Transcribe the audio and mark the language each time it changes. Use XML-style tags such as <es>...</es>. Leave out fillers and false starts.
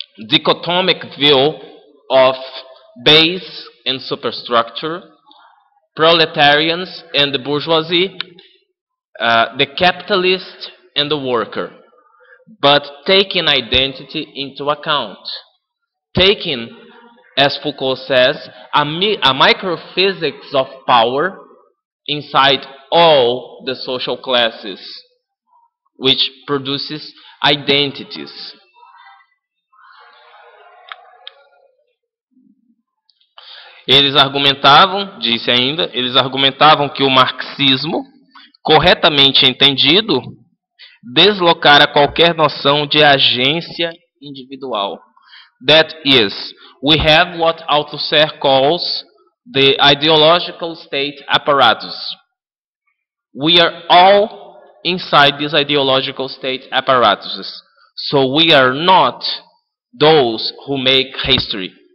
<en>dichotomic view of base and superstructure, proletarians and the bourgeoisie, the capitalist and the worker, but taking identity into account, taking, as Foucault says, a microphysics of power inside all the social classes, which produces identities.</en> <pt>Eles argumentavam, disse ainda, eles argumentavam que o marxismo, corretamente entendido, deslocara qualquer noção de agência individual.</pt> <en>That is, we have what Althusser calls the ideological state apparatus. We are all inside these ideological state apparatuses. So we are not those who make history.</en>